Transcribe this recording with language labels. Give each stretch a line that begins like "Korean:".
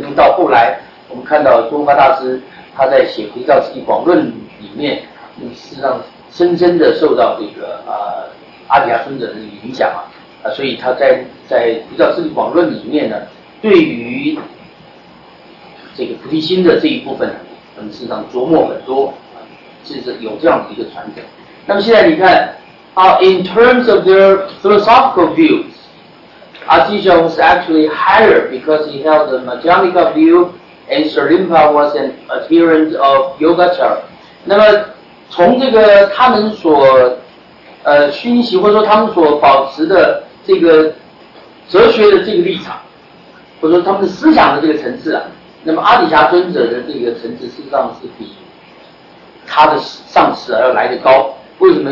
Chinese: 因为到后来，我们看到中发大师他在写《菩提道次第广论》里面，事实上深深的受到这个阿底峡尊者的影响啊，所以他在《菩提道次第广论》里面呢，对于这个菩提心的这一部分，事实上琢磨很多。是有这样的一个传承。那么现在你看
English: in terms of their philosophical views, Atisha was actually higher because he held the Madhyamika view and Sarimpa was an adherent of Yogacara.
Chinese: 那么从这个他们所熏习或者说他们所保持的这个哲学的这个立场，或者说他们的思想的这个层次啊，那么阿底峡尊者的这个层次事实上是比他的上师要来得高。为什么？